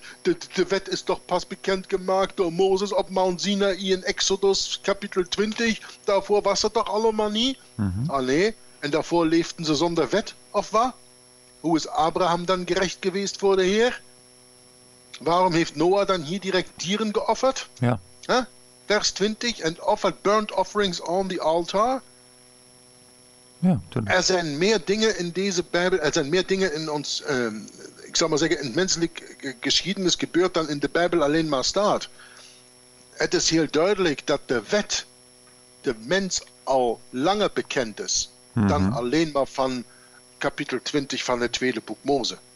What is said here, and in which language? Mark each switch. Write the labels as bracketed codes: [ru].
[nl] De wet is toch pas bekendgemaakt door Mozes op Mount Sinai in Exodus kapitel 20. Daarvoor was dat toch allemaal niet? Mm-hmm. Allee, en daarvoor leefden ze zonder wet. Of wat? Hoe is Abraham dan gerecht geweest voor de Heer? Waarom heeft Noah dan hier direct dieren geofferd? Ja. Huh? [en] Vers 20, and offered burnt offerings on the altar. [nl] Ja, er zijn meer dingen in deze Bijbel, er zijn meer dingen in ons, ik zal maar zeggen, in menselijk geschiedenis gebeurd dan in de Bijbel alleen maar staat. Het is heel duidelijk dat de wet de mens al langer bekend is dan alleen maar van kapitel 20 van het tweede boek Mose.